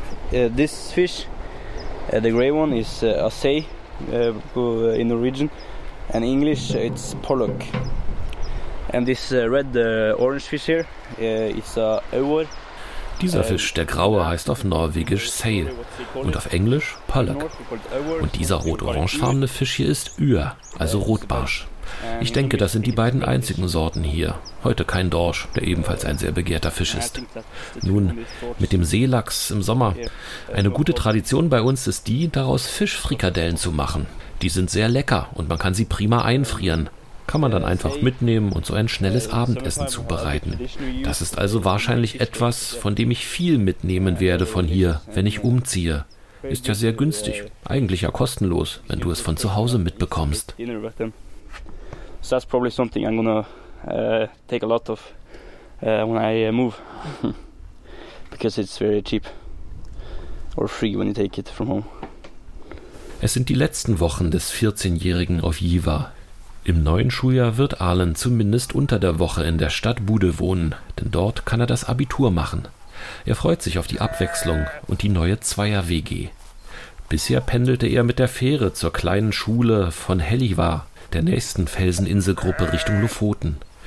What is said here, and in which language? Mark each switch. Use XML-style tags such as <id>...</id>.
<en>This fish, the gray one, is assay in Norwegian, and English it's pollock. And this red orange fish here is a øver.</en> <de>Dieser Fisch, der graue, heißt auf Norwegisch seil und auf Englisch pollock. Und dieser rot-orangefarbene Fisch hier ist yr, also Rotbarsch. Ich denke, das sind die beiden einzigen Sorten hier. Heute kein Dorsch, der ebenfalls ein sehr begehrter Fisch ist. Nun, mit dem Seelachs im Sommer. Eine gute Tradition bei uns ist die, daraus Fischfrikadellen zu machen. Die sind sehr lecker und man kann sie prima einfrieren. Kann man dann einfach mitnehmen und so ein schnelles Abendessen zubereiten. Das ist also wahrscheinlich etwas, von dem ich viel mitnehmen werde von hier, wenn ich umziehe. Ist ja sehr günstig, eigentlich ja kostenlos, wenn du es von zu Hause mitbekommst.</de> <en>So that's probably something I'm gonna take a lot of when I move, because it's very cheap or free when you take it from home.</en> <de>Es sind die letzten Wochen des 14-Jährigen auf Jiva. Im neuen Schuljahr wird Arlen zumindest unter der Woche in der Stadt Bude wohnen, denn dort kann er das Abitur machen. Er freut sich auf die Abwechslung und die neue Zweier-WG. Bisher pendelte er mit der Fähre zur kleinen Schule von Helliva, der nächsten Felseninselgruppe Richtung Lofoten.</de>